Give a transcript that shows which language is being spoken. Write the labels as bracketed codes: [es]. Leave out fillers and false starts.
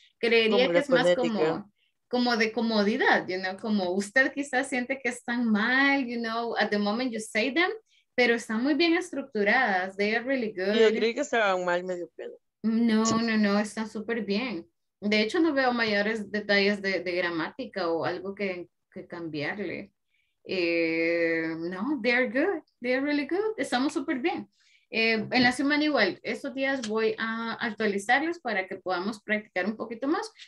[es] Creería como que es fonética. Más como de comodidad, you know, como usted quizás siente que están mal, you know, [en] at the moment you say them, [es] pero están muy bien estructuradas, [en] they are really good. [es] Yo creí que estaban mal, medio pedo. No, están súper bien. De hecho, no veo mayores detalles de gramática o algo que cambiarle. [en] No, they are good, they are really good, [es] estamos súper bien. En la semana igual, estos días voy a actualizarlos para que podamos practicar un poquito más.